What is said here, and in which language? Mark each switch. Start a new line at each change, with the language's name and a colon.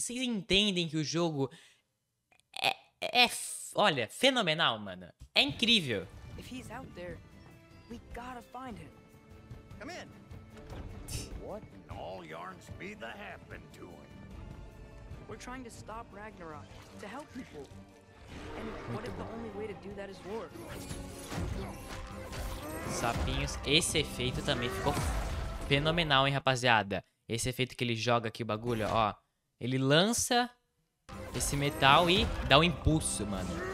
Portuguese: Vocês entendem que o jogo é olha, fenomenal, mano. É incrível.
English: If he's out there, we gotta find him. Come in. What in all yarns be the happen to him? We're trying to stop Ragnarok, to help people. And what if the only way to do that is war?
Portuguese: Sapinhos, esse efeito também ficou fenomenal, hein, rapaziada? Esse efeito que ele joga aqui o bagulho, ó. Ele lança esse metal e dá um impulso, mano.